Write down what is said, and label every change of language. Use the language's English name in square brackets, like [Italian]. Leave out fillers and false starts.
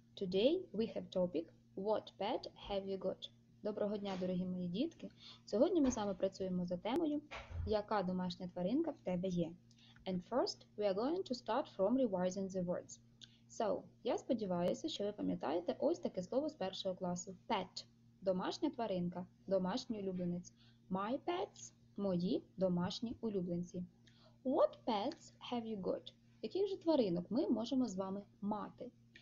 [English] Today we have topic What pet have you got? [Ukrainian] Доброго дня, дорогі мої дітки. Сьогодні ми з вами працюємо за темою Яка домашня тваринка в тебе є? [English] And first, we are going to start from revising the words. [Ukrainian] So, я сподіваюся, що ви пам'ятаєте ось таке слово з першого класу. Pet – домашня тваринка, домашній улюбленець. [English] My pets – [Ukrainian] мої домашні улюбленці. [English] What pets have you got? [Ukrainian] Яких же тваринок ми можемо з вами мати?